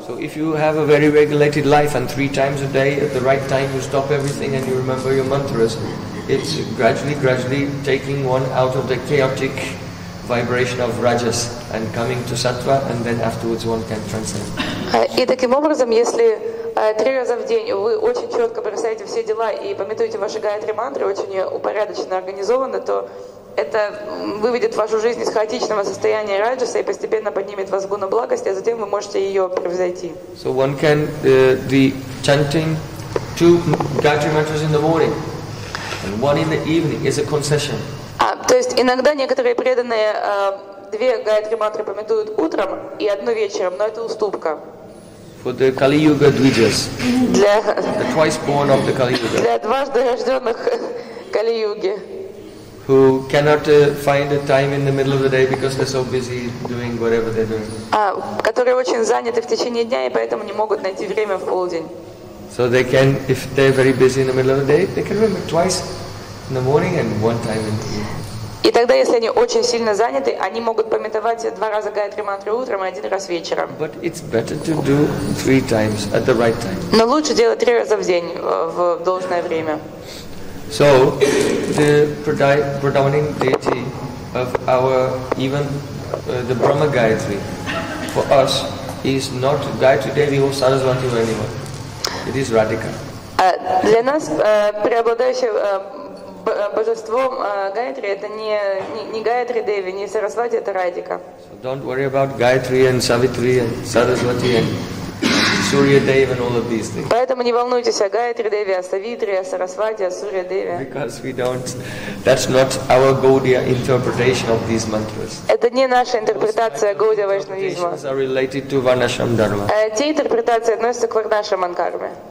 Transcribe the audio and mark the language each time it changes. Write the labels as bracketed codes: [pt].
[en] So if you have a very regulated life and three times a day at the right time you stop everything and you remember your mantras, it's gradually taking one out of the chaotic vibration of rajas and coming to sattva, and then afterwards one can transcend. [ru] И таким образом, если три раза в день вы очень четко бросаете все дела и пометуете ваши гаятри мантры очень упорядоченно, организованно, то это выведет вашу жизнь из хаотичного состояния раджаса и постепенно поднимет вас в гуну благости, а затем вы можете ее превзойти. [en] So one can the chanting two gayatri mantras in the morning and one in the evening is a concession. [ru] То есть иногда некоторые преданные две гаятри мантры пометуют утром и одну вечером, но это уступка. [en] For the Kali Yuga Dvijas, the twice born of the Kali Yuga, [ru] для дважды рожденных Kali Yuga, [en] who cannot find a time in the middle of the day because they're so busy doing whatever they're doing. [ru] Которые очень заняты в течение дня и поэтому не могут найти время в полдень. [en] So they can, if they're very busy in the middle of the day, they can remember twice in the morning and one time in the evening. [ru] И тогда, если они очень сильно заняты, они могут пометовать два раза гаятри мантры утром и один раз вечером. [en] But it's better to do three times at the right time. [ru] Но лучше делать три раза в день в должное время. [en] So the predominant deity of our even the Brahma Gayatri for us is not Gayatri Devi or Saraswati or anyone. It is Radhika. [ru] Для нас преобладающее божеством Гаятри это не Гаятри Деви, не Сарасвати, это Радика. [en] So don't worry about Gayatri and Savitri and Saraswati and Surya Devi and all of these things. [ru] Поэтому не волнуйтесь о Гаятри Деви, о Савитри, о Сарасвати, о Сурья Деви. [en] Because we don't, that's not our Gaudiya interpretation of these mantras. [ru] Это не наша интерпретация Gaudiya Vaishnavizma. [en] Those interpretations are related to Varnashram Dharma. [ru] Те интерпретации относятся к Варнашрам Карме.